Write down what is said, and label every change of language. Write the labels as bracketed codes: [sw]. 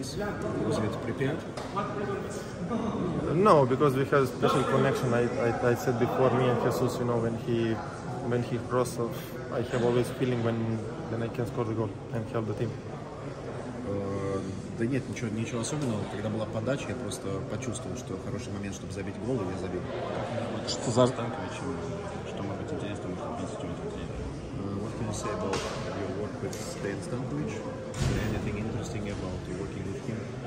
[en] Your goal was from the set piece. No, because we have a special connection. I said before, me and Хесус, you know, when he crossed, I have always feeling when I can score the goal and help the team. [ru] Да нет, ничего особенного. Когда была подача, я просто почувствовал, что хороший момент, чтобы забить гол, и я забил. Что за Станкович? Что может быть интересно, может быть интересно? [en] What can you say about your work with Stan Stankovic? Anything interesting about you working with him?